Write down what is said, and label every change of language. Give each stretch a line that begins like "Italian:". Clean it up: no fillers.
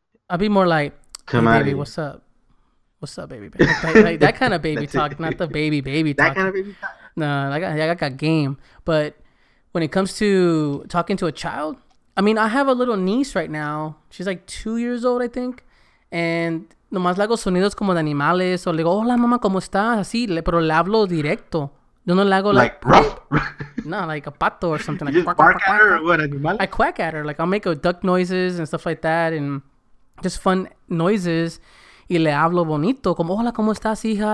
English: I'd be more like, "Come hey, baby, what's you. Up? What's up, baby? Like that kind of baby talk, not the baby talk. That kind of baby talk. No, I got game. But when it comes to talking to a child, I mean, I have a little niece right now. She's like 2 years old, I think, and.
Spanish: Nomás le hago sonidos como de animales o le digo, hola mamá, ¿cómo estás? Así, pero le hablo directo. Yo no le hago
English: like ruff. No, like a pato or something. You like, just bark at her or what, animal? I quack at her. Like I'll make a duck noises and stuff like that and just fun noises.
Spanish: Y le hablo bonito, como hola, ¿cómo estás, hija?